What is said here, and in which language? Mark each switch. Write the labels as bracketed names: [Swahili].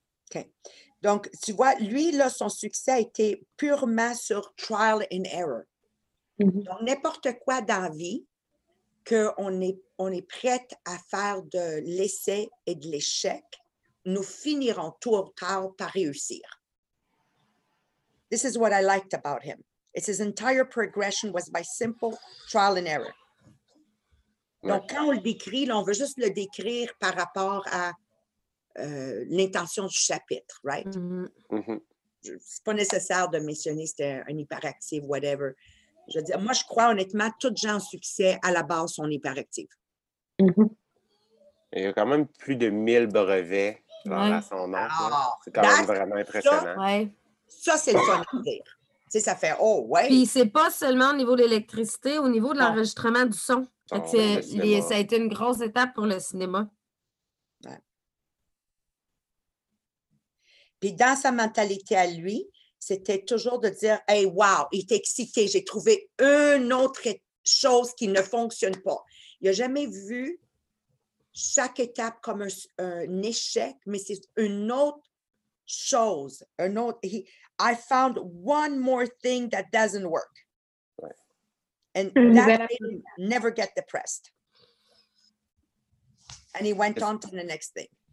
[French] OK. Donc, tu vois, lui, là, son succès a été purement sur [English] trial and error. [French] Donc, n'importe quoi dans la vie qu'on est prête à faire de l'essai et de l'échec, nous finirons tôt ou tard par réussir. [English] This is what I liked about him. It's his entire progression was by simple trial and error. [French] Donc, quand on le décrit, là, on veut juste le décrire par rapport à l'intention du chapitre, right? Mm-hmm. C'est pas nécessaire de mentionner si c'était un hyperactif, whatever. Je veux dire, moi, je crois honnêtement, toutes gens ont succès à la base sont hyperactives. Mm-hmm. Il y a quand même plus de 1000 brevets dans son nom. C'est quand même vraiment impressionnant. Ça, c'est le fun à dire. Tu sais, ça fait oh, ouais. Puis c'est pas seulement au niveau de l'électricité, au niveau de l'enregistrement du son. Ça a été une grosse étape pour le cinéma. Ouais. Puis dans sa mentalité à lui, c'était toujours de dire, « Hey, wow, il était excité. J'ai trouvé une autre chose qui ne fonctionne pas. » Il n'a jamais vu chaque étape comme un échec, mais c'est une autre chose. Un autre, [English] « I found one more thing that doesn't work. Ouais. » And that made him never get depressed. And he went on to the next thing.